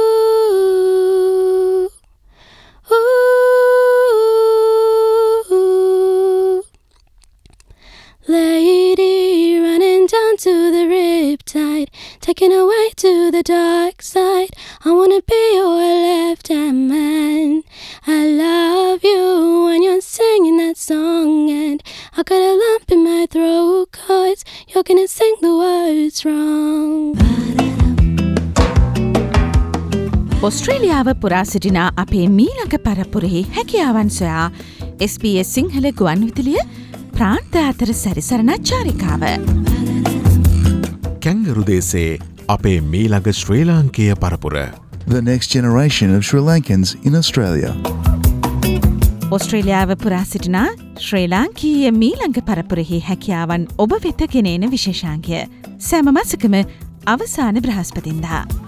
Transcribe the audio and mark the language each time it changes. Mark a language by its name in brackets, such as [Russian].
[English] Ooh, ooh, lady running down to the riptide, taking away to the dark side. I wanna be your left-hand man. I love you when you're singing that song, and I got a lump in my throat 'cause you're gonna sing the words wrong. [Sinhala] ඔස්ට්‍රේලියාව පුරා සිටින අපේ මීළඟ පරපුරෙහි හැකියාවන් සොයා SBS Sinhala ගුවන්විදුලිය ප්‍රාන්ත අතර සැරිසරන චාරිකාව. Kangaroo දේශයේ අපේ මීළඟ ශ්‍රී ලාංකේය පරපුර, [English] The Next Generation of Sri Lankans in Australia. [Sinhala] ඔස්ට්‍රේලියාව පුරා සිටින ශ්‍රී ලාංකීය මීළඟ පරපුරෙහි හැකියාවන් ඔබ වෙත ගෙනෙන විශේෂාංගය සෑම මාසිකම අවසාන බ්‍රහස්පතින්දා.